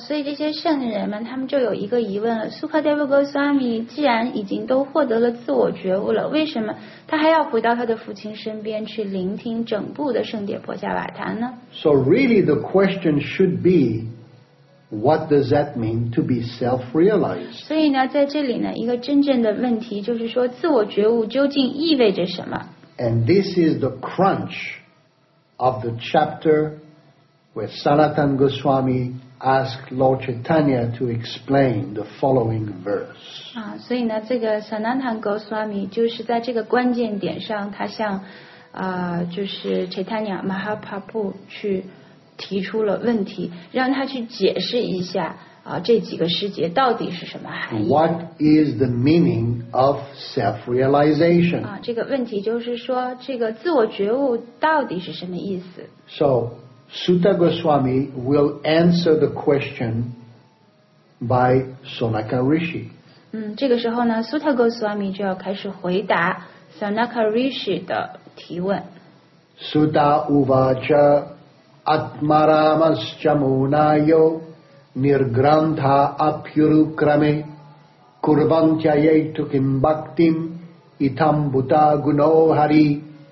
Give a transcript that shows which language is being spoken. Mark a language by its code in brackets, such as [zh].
[zh] 所以这些圣人们他们就有一个疑问了， Shukadev Goswami 既然已经都获得了自我觉悟了，为什么他还要回到他的父亲身边去聆听整部的圣典波迦瓦塔呢？ [en] So really the question should be, what does that mean to be self-realized? [zh] 所以呢，在这里呢，一个真正的问题就是说，自我觉悟究竟意味着什么？ [en] And this is the crunch of the chapter where Sanatan Goswami asked Lord Chaitanya to explain the following verse. [zh] 所以呢，这个 Sanatan Goswami 就是在这个关键点上，他向就是 Chaitanya Mahaprabhu 去提出了问题，让他去解释一下这几个师节到底是什么含义。 [en] What is the meaning of self-realization? [zh] 这个问题就是说，这个自我觉悟到底是什么意思？ [en] So, Sutta Goswami will answer the question by Sonaka Rishi. [zh] 这个时候呢， Sutta Goswami 就要开始回答 Sonaka Rishi 的提问。 [sa] Sutta Uvacha. Atmaramaschamunayo nirgrantha apyurukrame kurvantyayetukim bhaktim itambhuta gunohari.